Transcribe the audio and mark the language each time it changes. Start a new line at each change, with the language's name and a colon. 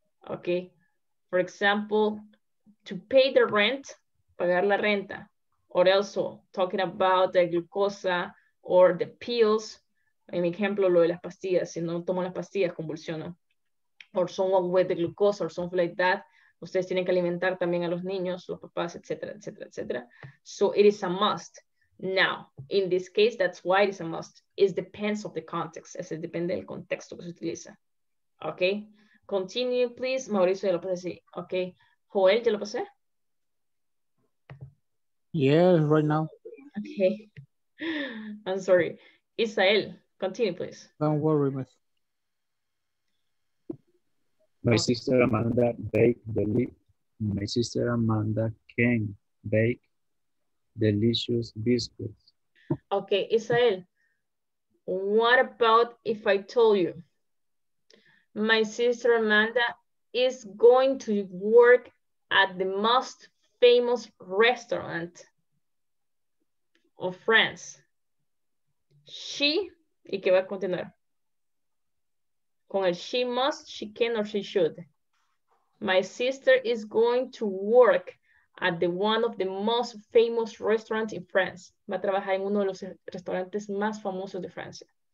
English: Okay, for example, to pay the rent,
Spanish: pagar la renta.
English: Or also talking about the glucosa or the pills.
Spanish: En ejemplo, lo de las pastillas. Si no tomo las pastillas, convulsiono.
English: Or someone with the glucosa or something like that.
Spanish: Ustedes tienen que alimentar también a los niños, los papás, etc., etc., etc.
English: So it is a must. Now, in this case, that's why it is a must. It depends of the context.
Spanish: Es decir, depende del contexto que se utiliza. Okay.
English: Continue, please.
Spanish: Mauricio, ya lo pasé. Okay. Joel, ya lo pasé.
English: Yes, right now. Okay. I'm sorry. Israel, continue, please. Don't worry, miss. My sister Amanda can bake delicious biscuits. Okay, Israel, what about if I told you my sister Amanda is going to work at the most famous restaurant of France? She,
Spanish: y que va a continuar con el
English: she must, she can, or she should. My sister is going to work at the one of the most famous restaurants in France.
Spanish: Va a trabajar en uno de los restaurantes más famosos de Francia.